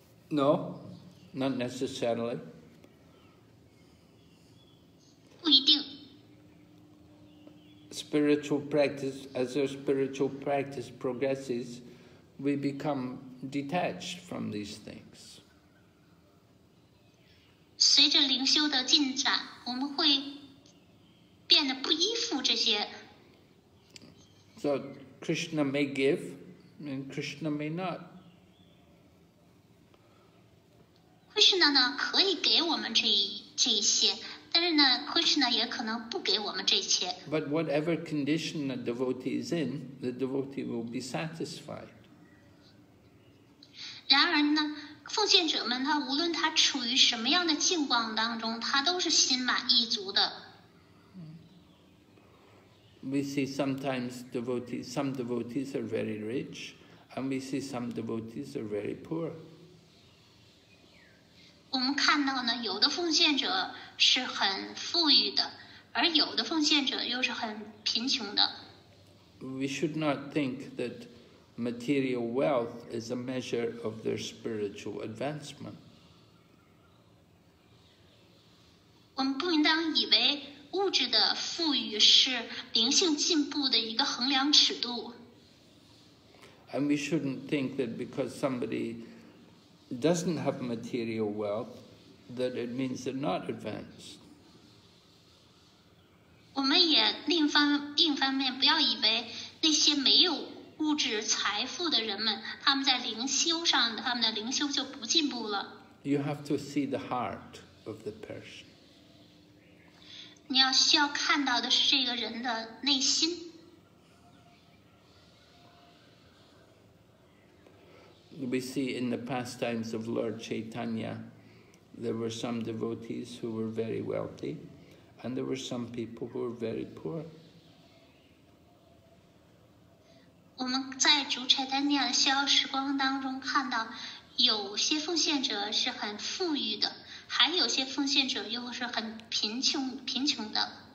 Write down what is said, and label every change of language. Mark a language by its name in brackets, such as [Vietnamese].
[English] No, not necessarily. [Chinese] 不一定。 [English] Spiritual practice, as our spiritual practice progresses, we become detached from these things. [Chinese] 随着灵修的进展，我们会变得不依附这些。 [English] So Krishna may give, and Krishna may not. [Chinese] Krishna 呢可以给我们这些，但是呢 ，Krishna 也可能不给我们这些。 [English] But whatever condition a devotee is in, the devotee will be satisfied. [Chinese] 然而呢？奉献者们，他无论他处于什么样的境况当中，他都是心满意足的。 [English] We see sometimes devotees, some devotees are very rich, and we see some devotees are very poor. [Chinese] 我们看到呢，有的奉献者是很富裕的，而有的奉献者又是很贫穷的。 [English] We should not think that. Material wealth is a measure of their spiritual advancement. We [Chinese] 不应当以为物质的富裕是灵性进步的一个衡量尺度。 [English] And we shouldn't think that because somebody doesn't have material wealth, that it means they're not advanced. [Chinese] 我们也另一方面不要以为那些没有物质财富的人们，他们在灵修上，他们的灵修就不进步了。 [English] You have to see the heart of the person. [Chinese] 你要需要看到的是这个人的内心。 [English] We see in the pastimes of Lord Chaitanya, there were some devotees who were very wealthy, and there were some people who were very poor. [Chinese] 我们在主柴丹尼亚的逍遥时光当中看到，有些奉献者是很富裕的，还有些奉献者又是很贫穷的。